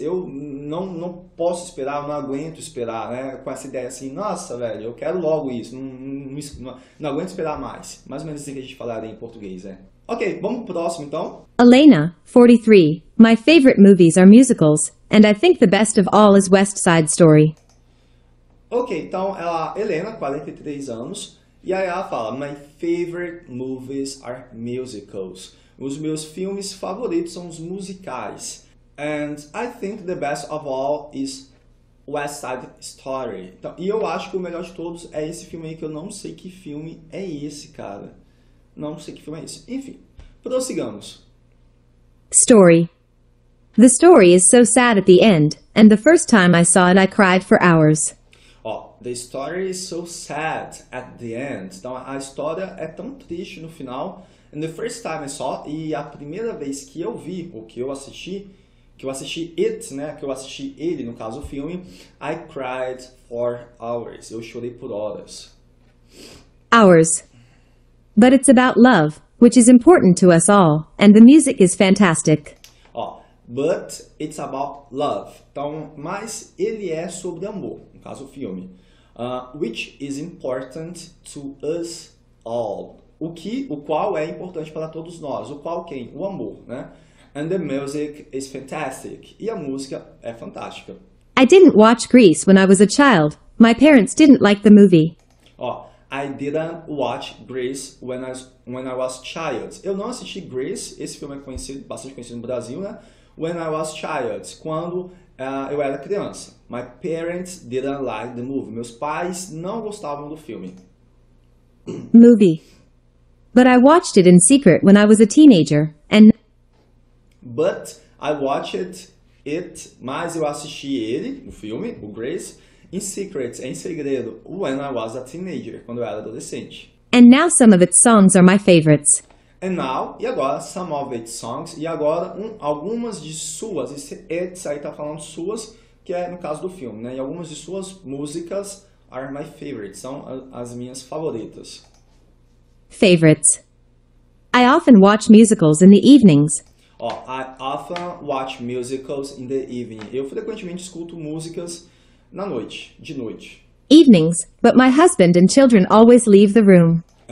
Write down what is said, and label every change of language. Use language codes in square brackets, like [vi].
[pt] Eu não posso esperar, eu não aguento esperar, né? Com essa ideia assim, nossa, velho, eu quero logo isso. Não aguento esperar mais. Mais ou menos assim que a gente falaria em português, né? Ok, vamos pro próximo, então. Elena, 43. [en] My favorite movies are musicals, and I think the best of all is West Side Story. [pt] Ok, então, Elena, 43 anos, e aí ela fala, [en] my favorite movies are musicals. [pt] Os meus filmes favoritos são os musicais. [en] And I think the best of all is West Side Story. [pt] Então, e eu acho que o melhor de todos é esse filme aí, que eu não sei que filme é esse, cara. Não sei que filme é esse. Enfim, prossigamos. [en] Story. The story is so sad at the end, and the first time I saw it, I cried for hours. Oh, the story is so sad at the end. [pt] Então, a história é tão triste no final. [en] And the first time I saw, [pt] e a primeira vez que eu vi, ou que eu assisti it, né, que eu assisti ele, no caso, o filme, [en] I cried for hours. [pt] Eu chorei por horas. [en] Hours. But it's about love, which is important to us all, and the music is fantastic. But it's about love. [pt] Então, mas ele é sobre amor, no caso o filme. [en] Which is important to us all. [pt] O qual é importante para todos nós. O qual quem? O amor, né? [en] And the music is fantastic. [pt] E a música é fantástica. [en] I didn't watch Grease when I was a child. My parents didn't like the movie. I didn't watch Grease when I was a child. [pt] Eu não assisti Grease. Esse filme é conhecido, bastante conhecido no Brasil, né? [en] When I was a child, [pt] quando eu era criança. [en] My parents didn't like the movie. [pt] Meus pais não gostavam do filme. [en] Movie. But I watched it in secret when I was a teenager. And. But I watched it, [pt] mas eu assisti ele, o filme, o Grease, [en] in secret, [pt] em segredo, [en] when I was a teenager, [pt] quando eu era adolescente. [en] And now some of its songs are my favorites. And now, [pt] e agora, [en] some of its songs, [pt] e agora, algumas de suas, esse it's aí tá falando suas, que é no caso do filme, né? E algumas de suas músicas [en] are my favorites, [pt] são as minhas favoritas. [en] Favorites. I often watch musicals in the evenings. I often watch musicals in the evening. [pt] Eu frequentemente escuto músicas na noite, de noite. [en] Evenings, but my husband and children always leave the room.